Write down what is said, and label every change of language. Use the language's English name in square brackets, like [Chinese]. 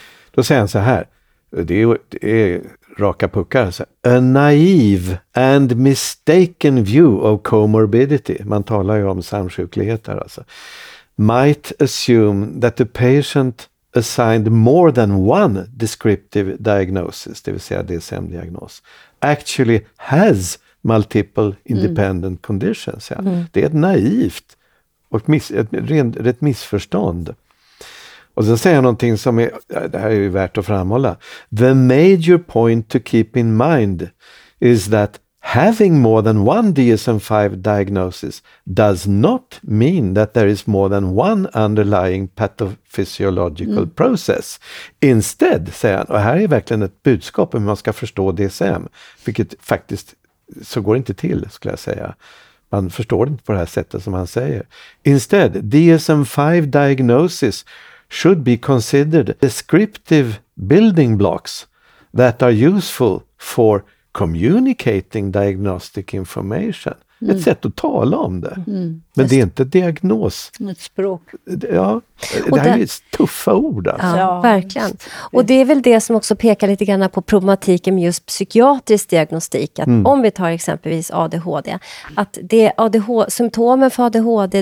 [Swedish] Då säger han så här, det är raka puckar, så, [English] a naive and mistaken view of comorbidity. [Swedish] Man talar ju om samsjuklighet här alltså. [English] Might assume that the patient assigned more than one descriptive diagnosis, [Swedish] det vill säga DSM-diagnos, [English] actually has multiple independent conditions. [Swedish] Ja. Mm. Det är ett naivt och ett rent missförstånd. Och sen säger jag någonting som är, det här är ju värt att framhålla. [English] The major point to keep in mind is that having more than one DSM-5 diagnosis does not mean that there is more than one underlying pathophysiological process. [Swedish] Instead, säger han, och här är verkligen ett budskap om hur man ska förstå DSM, vilket faktiskt så går inte till, skulle jag säga. Man förstår det inte på det här sättet som han säger. [English] Instead, DSM-5 diagnosis should be considered descriptive building blocks that are useful for communicating diagnostic information. [Swedish] Mm. Ett sätt att tala om det. Mm. Men det är inte diagnos. Ett språk. Ja, det här är ju tuffa ord. Alltså. Ja, verkligen. Och det är väl det som också pekar lite grann på problematiken med just psykiatrisk diagnostik. Att om vi tar exempelvis ADHD. Att det är symptomen för ADHD.